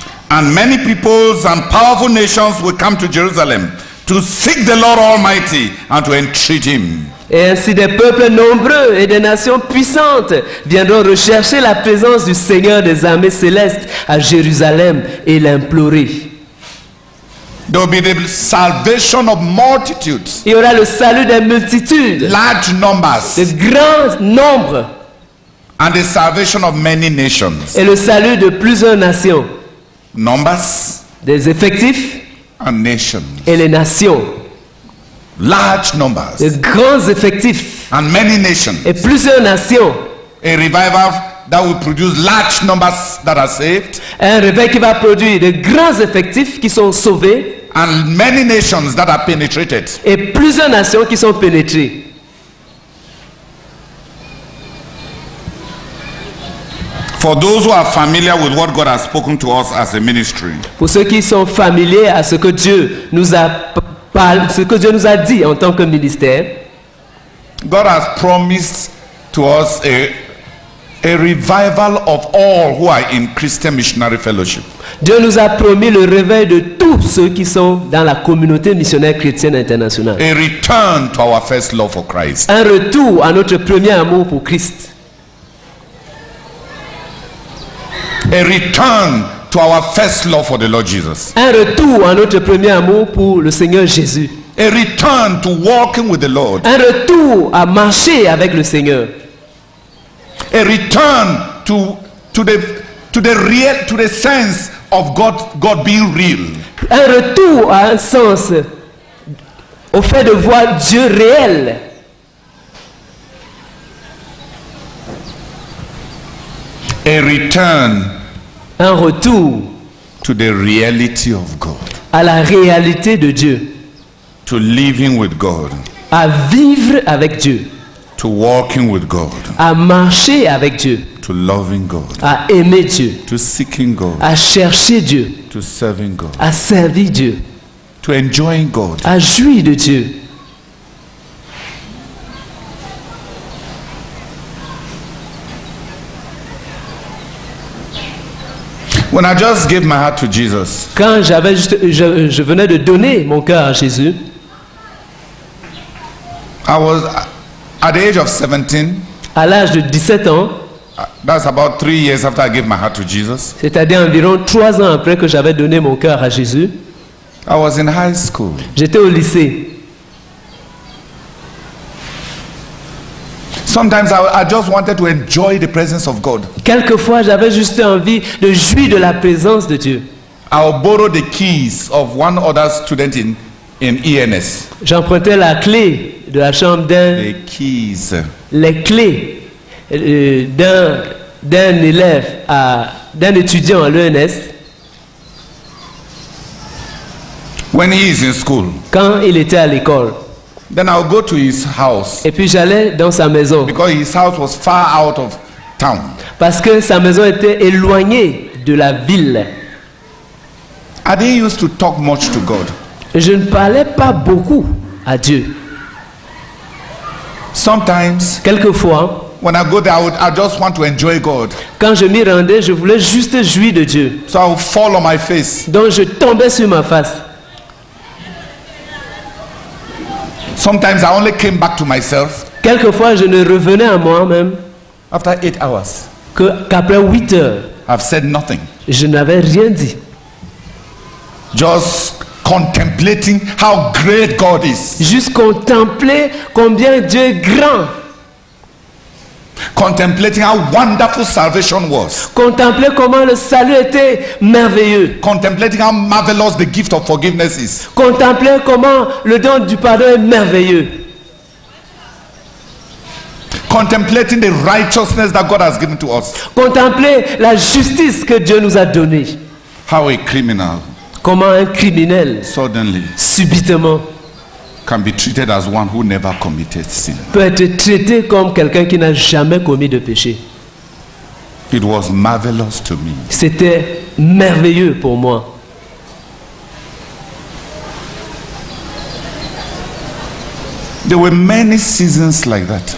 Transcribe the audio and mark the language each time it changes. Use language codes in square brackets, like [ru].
[en] And many peoples and powerful nations will come to Jerusalem to seek the Lord Almighty and to entreat him. [fr] Et ainsi des peuples nombreux et des nations puissantes viendront rechercher la présence du Seigneur des armées célestes à Jérusalem et l'implorer. [en] There will be the salvation of multitudes. [fr] Il y aura le salut des multitudes. [en] Large numbers. [fr] De grands nombres. [en] And the salvation of many nations. [fr] Et le salut de plusieurs nations. [en] Numbers. [fr] Des effectifs. [en] And nations. [fr] Et les nations. [en] Large numbers. [fr] De grands effectifs. [en] And many nations. [fr] Et plusieurs nations. [en] A revival that will produce large numbers that are saved. [fr] Un réveil qui va produire de grands effectifs qui sont sauvés. [en] And many nations that are penetrated. [fr] Et plusieurs nations qui sont pénétrées. [en] For those who are familiar with what God has spoken to us as a ministry. [fr] Pour ceux qui sont familiers à ce que Dieu nous a par ce que Dieu nous a dit en tant que ministère. [en] God has promised to us a revival of all who are in Christian Missionary Fellowship. [fr] Dieu nous a promis le réveil de tous ceux qui sont dans la communauté missionnaire chrétienne internationale. [en] A return to our first love for Christ. [fr] Un retour à notre premier amour pour Christ. [en] A return to our first love for the Lord Jesus. [fr] Un retour à notre premier amour pour le Seigneur Jésus. [en] A return to walking with the Lord. [fr] Un retour à marcher avec le Seigneur. [en] A return to the sense of God being real. [fr] Un retour à un sens au fait de voir Dieu réel. [en] A return. [fr] Un retour [en] to the reality of God. [fr] À la réalité de Dieu. [en] To living with God. [fr] À vivre avec Dieu. [en] To walking with God. [fr] À marcher avec Dieu. [en] To loving God. [fr] À aimer Dieu. [en] To seeking God. [fr] À chercher Dieu. [en] To serving God. [fr] À servir Dieu. [en] To enjoying God. [fr] À jouir de Dieu. [en] When I just gave my heart to Jesus. [fr] Quand j'avais juste, je venais de donner mon cœur à Jésus. [en] I was at the age of 17. [fr] À l'âge de 17 ans. [en] That's about 3 years after I gave my heart to Jesus. [fr] C'est-à-dire environ 3 ans après que j'avais donné mon cœur à Jésus. [en] I was in high school. [fr] J'étais au lycée. [en] Sometimes I just wanted to enjoy the presence of God. [fr] Quelquefois, j'avais juste envie de jouir de la présence de Dieu. [en] I would borrow the keys of one other student in ENS. [fr] J'empruntais la clé de la chambre d'un. [en] The keys. [fr] Les clés d'un élève à d'un étudiant à l'ENS. [en] When he is in school. [fr] Quand il était à l'école. [en] Then I'll go to his house. [fr] Et puis j'allais dans sa maison. [en] Because his house was far out of town. [fr] Parce que sa maison était éloignée de la ville. [en] I didn't used to talk much to God. [fr] Je ne parlais pas beaucoup à Dieu. [en] Sometimes. [fr] Quelquefois. [en] When I go there, I just want to enjoy God. [fr] Quand je m'y rendais, je voulais juste jouir de Dieu. [en] So I would fall on my face. [fr] Donc je tombais sur ma face. [en] Sometimes I only came back to myself. [fr] Quelquefois, je ne revenais à moi-même. [en] After 8 hours. [fr] Qu'après 8 heures. [en] I've said nothing. [fr] Je n'avais rien dit. [en] Just contemplating how great God is. [fr] Juste contempler combien Dieu est grand. [en] Contemplating how wonderful salvation was. [fr] Contempler comment le salut était merveilleux. [en] Contemplating how marvelous the gift of forgiveness is. [fr] Contempler comment le don du pardon est merveilleux. [en] Contemplating the righteousness that God has given to us. [fr] Contempler la justice que Dieu nous a donnée. [en] How a criminal. [fr] Comment un criminel. [en] Suddenly. [fr] Subitement. [en] Can be treated as one who never committed sin. [fr] Peut être traité comme quelqu'un qui n'a jamais commis de péché. [en] It was marvelous to me. [fr] C'était merveilleux pour moi. [en] There were many seasons like that.